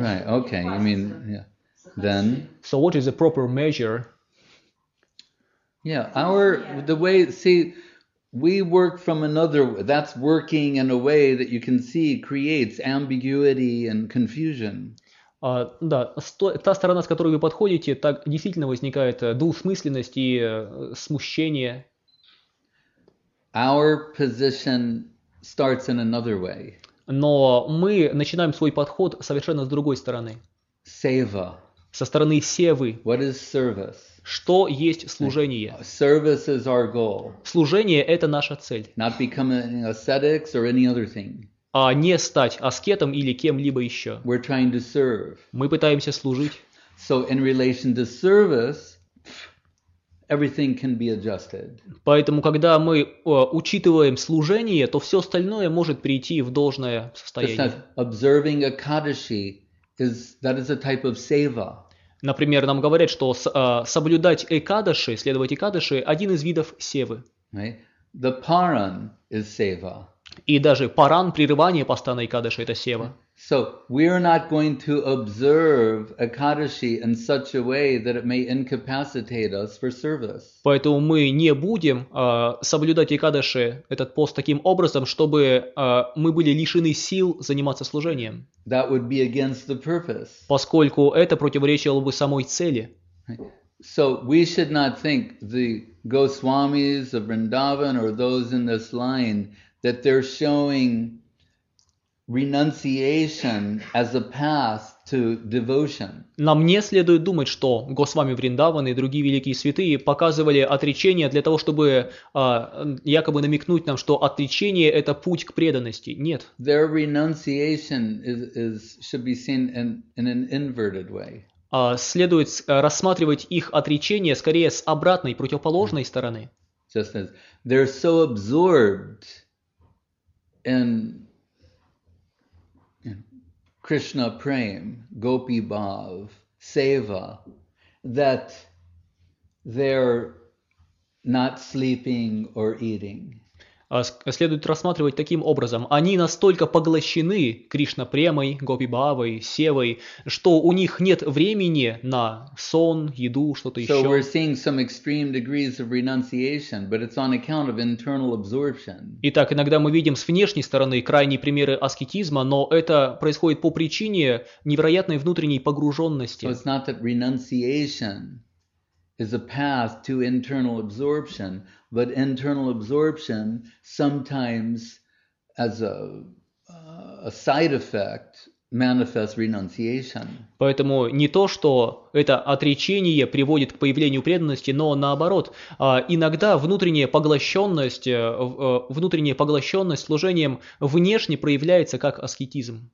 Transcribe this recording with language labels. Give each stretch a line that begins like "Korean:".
English: Right, okay, you mean, yeah. Then? So what is the proper measure? Yeah, our, the way, see, we work from another, that's working in a way that you can see creates ambiguity and confusion.
Russian: Да, та сторона, с которой вы подходите, так действительно возникает двусмысленность и смущение.
English: Our position starts in another way.
Russian: Но мы начинаем свой подход совершенно с другой стороны. Сева. Со стороны севы.
English: What is service?
Russian: Что есть служение?
English: Service is our goal.
Russian: Служение – это наша цель.
English: Not becoming ascetics or any other thing.
Russian: А не стать аскетом или кем-либо еще.
English: We're trying to serve.
Russian: Мы пытаемся служить.
English: So in relation to service, everything can be adjusted.
Russian: Поэтому, когда мы учитываем служение, то все остальное может прийти в должное состояние.
English: Just observing a kaddishi is that is a type of seva.
Russian: Например, нам говорят, что соблюдать экадаши, следовать экадаши, один из видов севы.
English: Right. The paran is seva.
Russian: И даже паран, прерывание поста на экадаши, это сева.
English: So we are not going to observe ekadashi in such a way that it may incapacitate us for service.
Russian: Поэтому мы не будем соблюдать ekadashi, этот пост, таким образом, чтобы мы были лишены сил заниматься служением.
English: That would be against the purpose.
Russian: Поскольку это противоречило бы самой цели.
English: So we should not think the Goswamis of Vrindavan or those in this line that they're showing renunciation as a path to devotion.
Russian: Нам не следует думать, что Госвами Вриндаван и другие великие святые показывали отречение для того, чтобы якобы намекнуть нам, что отречение – это путь к преданности. Нет.
English: Their renunciation is should be seen in an inverted way.
Russian: Следует рассматривать их отречение скорее с обратной, противоположной стороны.
English: Just as they're so absorbed in Krishna Prem, Gopi Bhav, Seva, that they're not sleeping or eating.
Russian: Следует рассматривать таким образом. Они настолько поглощены Кришна Премой, Гопи Бхавой, Севой, что у них нет времени на сон, еду, что-то еще.
English: So we're seeing some extreme degrees of renunciation, but it's on account of internal absorption.
Russian: Итак, иногда мы видим с внешней стороны крайние примеры аскетизма, но это происходит по причине невероятной внутренней погруженности.
English: So it's not that renunciation is a path to internal absorption, but internal absorption sometimes as a side effect manifests renunciation.
Russian: Поэтому не то, что это отречение приводит к появлению преданности, но наоборот, иногда внутренняя поглощенность служением внешне проявляется как аскетизм.